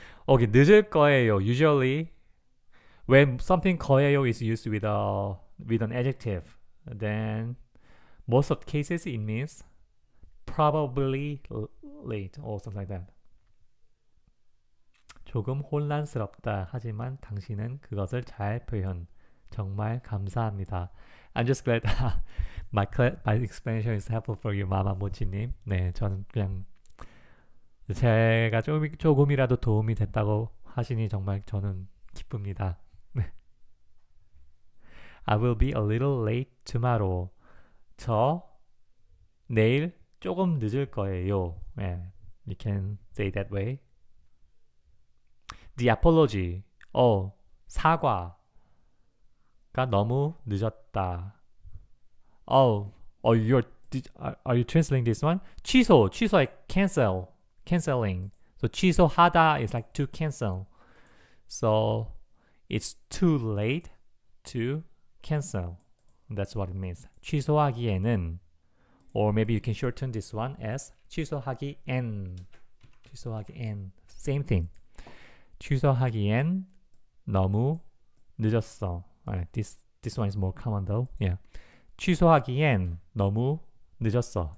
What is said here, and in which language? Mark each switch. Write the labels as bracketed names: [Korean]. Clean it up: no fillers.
[Korean] Okay, 늦을 거예요. [English] Usually, when something 거예요 is used with an adjective, then most of cases it means probably late or something like that. [Korean] 조금 혼란스럽다. 하지만 당신은 그것을 잘 표현. 정말 감사합니다. [English] I'm just glad my explanation is helpful for you, 마마모치님. [Korean] 네, 저는 그냥 제가 조금이라도 도움이 됐다고 하시니 정말 저는 기쁩니다. [English] I will be a little late tomorrow. [Korean] 저 내일 조금 늦을 거예요. [English] Yeah, you can say that way. The apology. [Korean] 사과가 너무 늦었다. [English] Are you translating this one? 취소. 취소 like cancel. Canceling. So 취소하다 is like to cancel. So it's too late to cancel. That's what it means. [Korean] 취소하기에는. [English] Or maybe you can shorten this one as 취소하기엔. [Korean] 취소하기엔. Same thing. 취소하기엔 너무 늦었어. [English] Alright, this one is more common though. Yeah. [Korean] 취소하기엔 너무 늦었어.